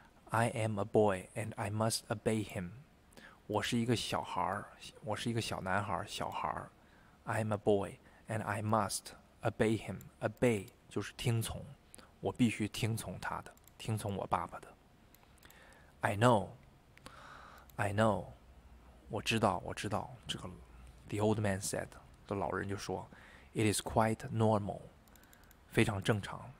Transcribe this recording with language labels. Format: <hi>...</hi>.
<en>I am a boy and I must obey him.</en> <zh>我是一个小孩，我是一个小男孩，小孩。</zh> <en>I'm a boy, and I must obey him.</en> <zh>Obey 就是听从，我必须听从他的，听从我爸爸的。</zh> <en>I know, I know,</en> <zh>我知道，我知道。这个</zh> <en>The old man said,</en> <zh>这老人就说</zh> <en>，It is quite normal,</en> <zh>非常正常。</zh>